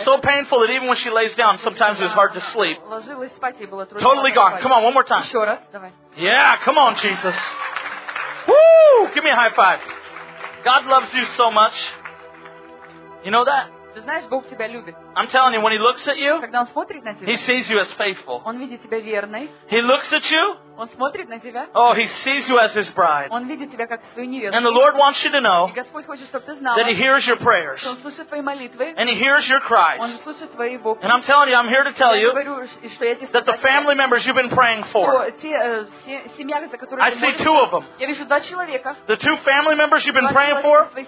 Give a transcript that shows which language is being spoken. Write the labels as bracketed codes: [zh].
[en] So painful that even when she lays down, sometimes it's hard to sleep. [ru] Ложилась спать, ей было трудно. [en] Totally gone. Come on, one more time. [ru] Еще раз, давай. [en] Yeah, come on, Jesus. Woo! Give me a high five. God loves you so much. You know that? [ru] Ты знаешь, Бог тебя любит. [en] I'm telling you, when he looks at you, [ru] когда он смотрит на тебя, [en] he sees you as faithful. [ru] Он видит тебя верной. [en] He looks at you, [ru] он смотрит на тебя. [en] Oh, he sees you as his bride. [ru] Он видит тебя как свою невесту. [en] And the Lord wants you to know, [ru] и Господь хочет, чтобы ты знала, [en] that he hears your prayers, [ru] что он слышит твои молитвы. [en] And he hears your cries. [ru] Он слышит твои вопли. [en] And I'm telling you, I'm here to tell you, [ru] говорю, что я тебе, [en] that the family members you've been praying for, [ru] семья, за которую [en] I see two of them. [ru] Я вижу два человека. [en] The two family members you've been praying for,